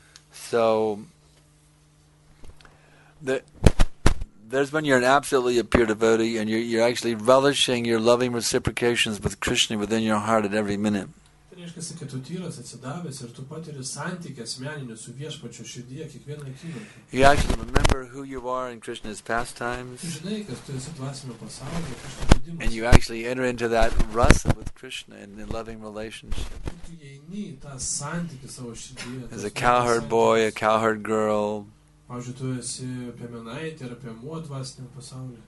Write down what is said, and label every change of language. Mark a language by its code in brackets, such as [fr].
[en] So, there's when you're an absolutely a pure devotee and you're actually relishing your loving reciprocations with Krishna within your heart at every minute. [lt] reiškia, kad tu tyras atsidavęs ir tu patiri santykį asmeninį su viešpačiu širdyje kiekvieną akimirką. Tu žinai, kad tu esi dvasinio pasaulio, Krishna žaidimas. [en] And you actually enter into that rasa with Krishna in the loving relationship. [lt] Tu įeini į tą santykį savo širdyje. [en] As a cowherd boy, a cowherd girl. [lt] Pavyzdžiui, tu esi piemenaitė ir piemuo dvasinio pasaulio.